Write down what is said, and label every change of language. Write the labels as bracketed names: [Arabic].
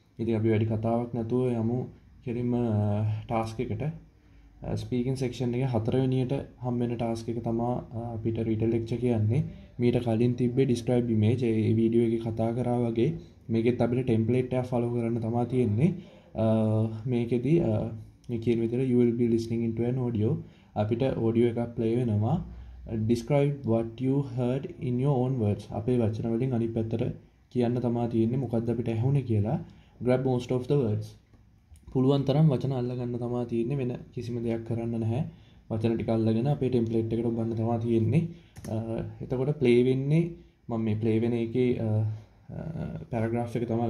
[Sinhala] ඉතින් අපි වැඩි කතාවක් නැතුව යමු කෙලින්ම ටාස්ක් එකට. ස්පීකින් සෙක්ෂන් එකේ හතරවෙනියට හම් වෙන ටාස්ක් එක තමයි අපිට රීටෙල් ලෙක්චර් කියන්නේ. මීට කලින් තිබ්බේ ඩිස්ක්‍රයිබ් ඉමේජ්. ඒ වීඩියෝ එකේ කතා කරා වගේ මේකෙත් අපිට ටෙම්ප්ලේට් එකක් ෆලෝ කරන්න තමයි තියෙන්නේ. මේකෙදි මේ කියන විදිහට [English] you will be listening into an audio. [Sinhala] අපිට ඔඩියෝ එකක් ප්ලේ වෙනවා. Describe [English] what you heard in your own words. [Sinhala] අපේ වචන වලින් අනිත් පැත්තට කියන්න තමයි තියෙන්නේ මොකද්ද අපිට ඇහුනේ කියලා. [English] grab most of the words. [Sinhala] පුළුවන් තරම් වචන අල්ල ගන්න තමා තියෙන්නේ. වෙන කිසිම දෙයක් කරන්න නැහැ. වචන ටික අල්ලගෙන අපේ ටෙම්ප්ලේට් එකට ඔබන්න තමා තියෙන්නේ. එතකොට ප්ලේ වෙන්නේ මම මේ ප්ලේ වෙන එකේ පැරග්‍රාෆ් එක තමයි.